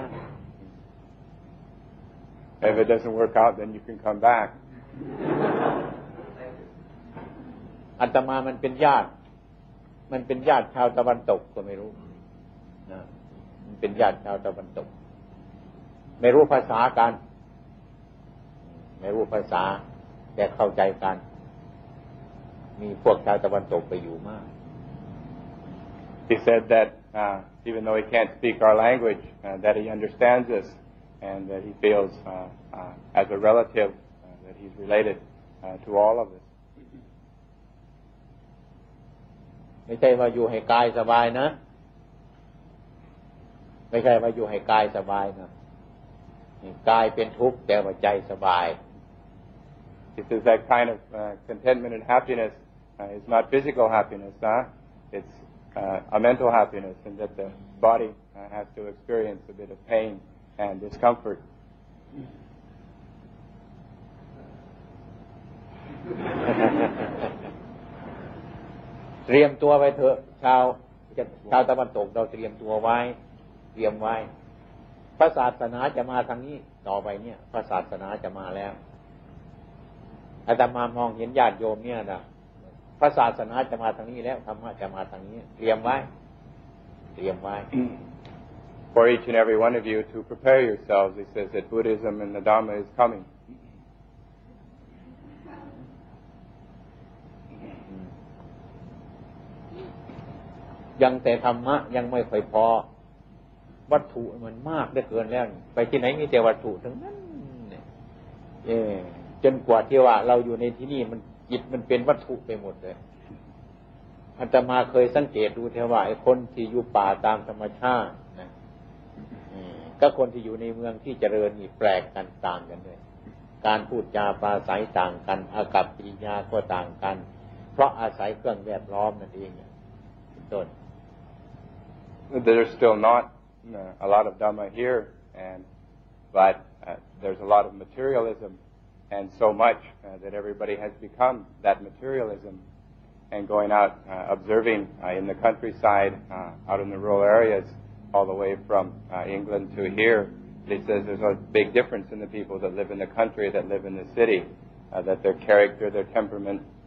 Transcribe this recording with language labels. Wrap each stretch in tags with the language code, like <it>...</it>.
<en>If it doesn't work out then you can come back</en> <th>อาตมามันเป็นญาติมันเป็นญาติชาวตะวันตกก็ไม่รู้นะมันเป็นญาติชาวตะวันตกไม่รู้ภาษากันไม่รู้ภาษาแต่เข้าใจกันมีพวกชาวตะวันตกไปอยู่มาก</th> <en>He said that even though he can't speak our language that he understands us and that he feels as a relative that he's related to all of us</en> <th>ไม่ใช่ว่าอยู่ให้กายสบายนะไม่ใช่ว่าอยู่ให้กายสบายนะกายเป็นทุกข์แต่ว่าใจสบาย</th> <en>It is that kind of contentment and happiness. It's not physical happiness, It's a mental happiness, and that the body has to experience a bit of pain and discomfort.</en> <th>เตรียมตัวไว้เถอะชาวตะวันตกเราเตรียมตัวไว้เตรียมไว้พระศาสนาจะมาทางนี้ต่อไปเนี่ยพระศาสนาจะมาแล้วอาตมามองเห็นญาติโยมเนี่ยนะพระศาสนาจะมาทางนี้แล้วธรรมะจะมาทางนี้เตรียมไว้เตรียมไว้</th> <en>For each and every one of you to prepare yourselves he says that Buddhism and the Dhamma is coming</en> <th>ยังแต่ธรรมะยังไม่ค่อยพอวัตถุมันมากเหลือเกินแล้วไปที่ไหนมีแต่วัตถุทั้งนั้นเอ๊ะจนกว่าที่ว่าเราอยู่ในที่นี่มันจิตมันเป็นวัตถุไปหมดเลยอาตมาเคยสังเกตดูเทวะไอ้คนที่อยู่ป่าตามธรรมชาตินะ ก็คนที่อยู่ในเมืองที่เจริญนี่แปลกกันต่างกันด้วยการพูดจาปราศัยต่างกันอากัปกิริยาก็ต่างกันเพราะอาศัยเครื่องแวดล้อมนั่นเองเป็นต้น</th> <en>There's still not a lot of Dhamma here and but there's a lot of materialismand so much that everybody has become that materialism and going out observing in the countryside out in the rural areas all the way from England to here he says there's a big difference in the people that live in the country that live in the city that their character their temperament</en>